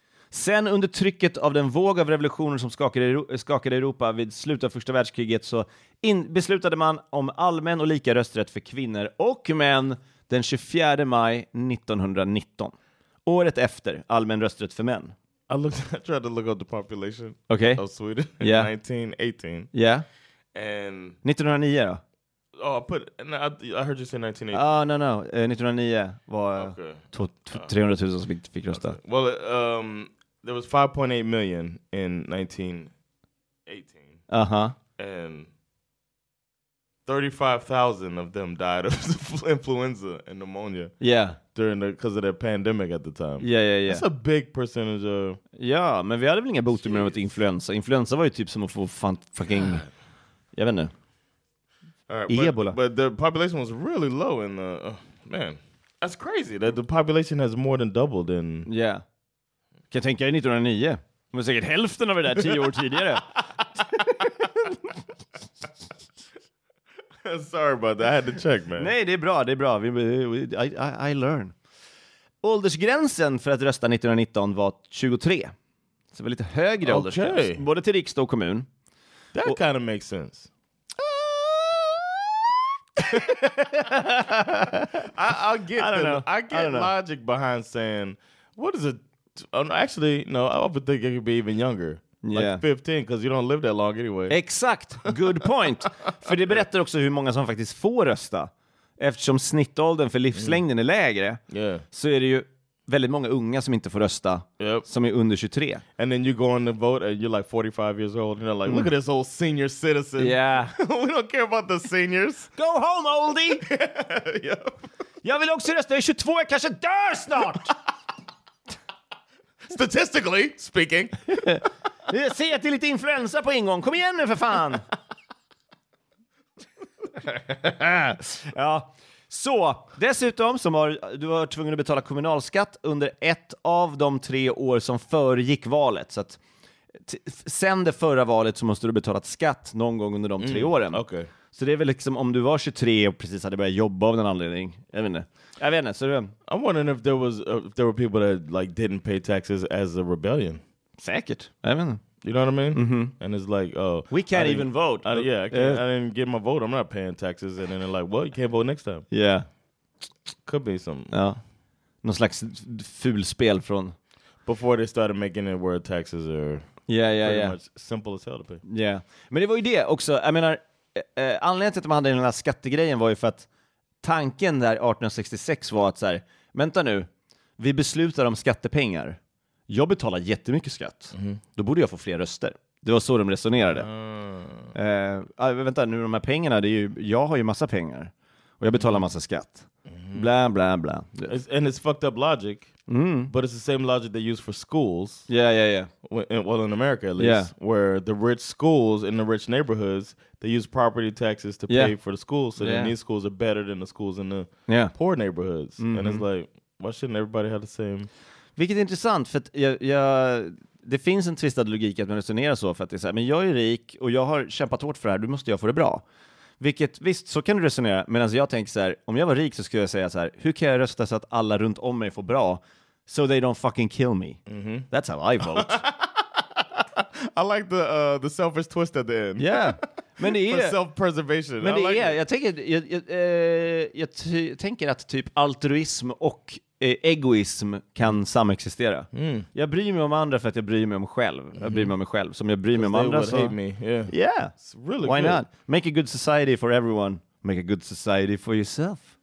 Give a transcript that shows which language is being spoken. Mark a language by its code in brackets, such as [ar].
[sv] Sen under trycket av den våg av revolutioner som skakade Europa vid slutet av första världskriget så beslutade man om allmän och lika rösträtt för kvinnor och män den 24 maj 1919. Året efter allmän rösträtt för män. [en] I tried to look up the population of Sweden in 1918. Yeah. And [sv] 1909 då? [en] Oh, I heard you say 1918. Oh, no, no. [sv] 1909 var 300,000 som fick rösta. Okay. [en] Well, there was 5.8 million in 1918. Uh-huh. And 35,000 of them died of influenza and pneumonia. Yeah. Because of the pandemic at the time. Yeah, yeah, yeah. That's a big percentage of... [sv] Yeah, men vi hade väl inga botemedel mot influensa. Influensa var ju typ som att få fucking... Jag vet inte. [en] Right, Ebola. But the population was really low in the... man, that's crazy that the population has more than doubled in... [sv] Yeah. Kan jag tänka i 1909? Men säkert hälften av det där 10 år tidigare. [en] Sorry about that. I had to check, man. [sv] Nej, det är bra. Det är bra. [en] I learn. [sv] Åldersgränsen för att rösta 1919 var 23. Så det var lite högre åldersgräns. Okay. Både till riksdag och kommun. [en] That kind of makes sense. I'll get the logic behind saying, what is it? Actually, no, I would think it could be even younger. Yeah. Like 15, because you don't live that long anyway. [sv] Exakt, [en] good point. [sv] För det berättar också hur många som faktiskt får rösta. Eftersom snittåldern för livslängden är lägre, yeah, så är det ju väldigt många unga som inte får rösta, yep, som är under 23. [en] And then you go on the vote and you're like 45 years old and they're like, look at this old senior citizen. Yeah. We don't care about the seniors. Go home, oldie! Yeah. Yep. [sv] Jag vill också rösta, jag är 22, jag kanske dör snart! [en] Statistically speaking. [sv] Jag ser att det är lite influensa på ingång. Kom igen nu för fan! Ja. Så, dessutom som har du varit tvungen att betala kommunalskatt under ett av de tre år som föregick valet. Så att sen det förra valet så måste du ha betalat skatt någon gång under de tre åren. [en] Okay. [sv] Så det är väl liksom om du var 23 och precis hade börjat jobba av den anledning. Jag vet inte. Jag vet inte, så det... [en] I'm wondering if there was if there were people that like didn't pay taxes as a rebellion. [sv] Säkert. Jag vet inte. [en] You know what I mean? Mm-hmm. And it's like, oh, we can't even vote. I didn't get my vote. I'm not paying taxes. And then they're like, well, you can't vote next time. Yeah. Could be some. [sv] Ja. Någon slags ful spel från. [en] Before they started making it where taxes are pretty much simple as hell to pay. [sv] Yeah. Men det var ju det också. Jag menar, anledningen till att man hade den här skattegrejen var ju för att tanken där 1866 var att så här, vänta nu, vi beslutar om skattepengar. Jag betalar jättemycket skatt. Mm-hmm. Då borde jag få fler röster. Det var så de resonerade. Mm. Vänta, nu de här pengarna. Det är ju, jag har ju massa pengar. Och jag betalar massa skatt. Mm-hmm. Bla, bla, bla. [en] And it's fucked up logic. Mm. But it's the same logic they use for schools. Yeah, yeah, yeah. Well, in America at least. Yeah. Where the rich schools in the rich neighborhoods, they use property taxes to pay for the schools. So then these schools are better than the schools in the poor neighborhoods. Mm-hmm. And it's like, why shouldn't everybody have the same... [sv] Vilket är intressant, för att det finns en tvistad logik att man resonerar så, för att det är så här, men jag är rik och jag har kämpat hårt för det här, då måste jag få det bra. Vilket, visst, så kan du resonera, medan jag tänker så här, om jag var rik så skulle jag säga så här, hur kan jag rösta så att alla runt om mig får bra, [en] so they don't fucking kill me. [sv] Mm-hmm. [en] That's how I vote. I like the selfish twist at the end. [sv] Yeah. Men det är [en] for self-preservation. [sv] Men [en] I [sv] det [en] like [sv] är, [en] it. [sv] Jag tänker att typ altruism och egoism kan samexistera. Mm. Jag bryr mig om andra för att jag bryr mig om själv. Mm-hmm. Jag bryr mig om mig själv. Som jag bryr mig om andra så... [en] Yeah. It's really why good. Not? Make a good society for everyone. Make a good society for yourself.